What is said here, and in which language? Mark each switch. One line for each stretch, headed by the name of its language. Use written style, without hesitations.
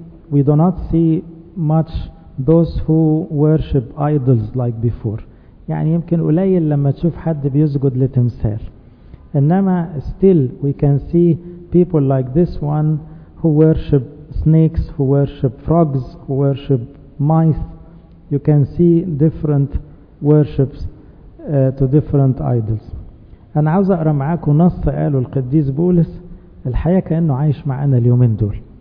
English: We do not see much those who worship idols like before.
Arabic: يعني يمكن قليل لما تشوف حد بيسجد لتمثال.
English: إنما still we can see people like this one who worship snakes, who worship frogs, who worship mice. You can see different worships to different idols.
Arabic: أنا عاوز أقرأ معاكم نص قاله القديس بولس الحياة كأنه عايش معنا اليومين دول.